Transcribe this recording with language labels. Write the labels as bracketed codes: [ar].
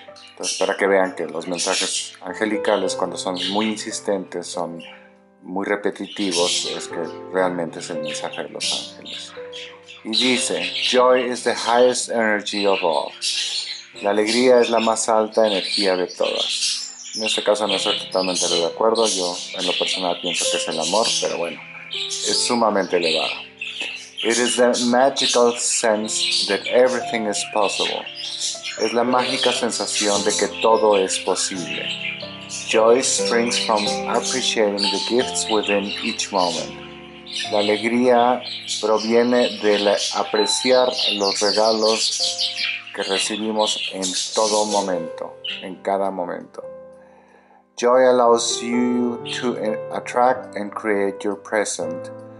[es] Entonces, para que vean que los mensajes angelicales, cuando son muy insistentes, son muy repetitivos, es que realmente es el mensaje de los ángeles. Y dice, [en] Joy is the highest energy of all. [es] La alegría es la más alta energía de todas. En este caso no estoy totalmente de acuerdo, yo en lo personal pienso que es el amor, pero bueno, es sumamente elevado. [en] It is the magical sense that everything is possible. [es] Es la mágica sensación de que todo es posible. [en] Joy springs from appreciating the gifts within each moment. [es] La alegría proviene de apreciar los regalos que recibimos en todo momento, en cada momento. [en] Joy allows you to attract and create your present.